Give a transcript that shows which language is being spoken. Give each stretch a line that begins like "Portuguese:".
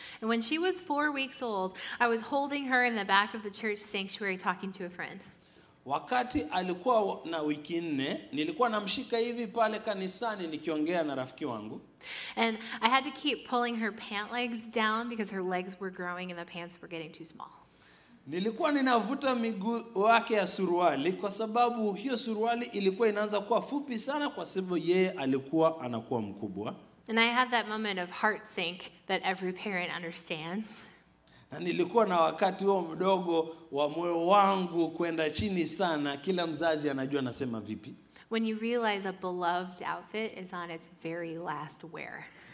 English: And when she was 4 weeks old, I was holding her in the back of the church sanctuary talking to a friend.
Swahili: Wakati alikuwa na wiki nne, nilikuwa namshika hivi pale kanisani nikiongea na rafiki wangu.
English: And I had to keep pulling her pant legs down because her legs were growing and the pants were getting too small.
Swahili: Nilikuwa ninavuta miguu yake ya suruali kwa sababu hiyo suruali ilikuwa inaanza kuwa fupi sana kwa sababu yeye alikuwa anakuwa mkubwa.
English: And I had that moment of heart sink that every parent understands.
Swahili: Na nilikuwa na wakati huo mdogo wa moyo wangu kwenda chini sana, kila mzazi anajua nasema vipi.
English: When you realize a beloved outfit is on its very last wear.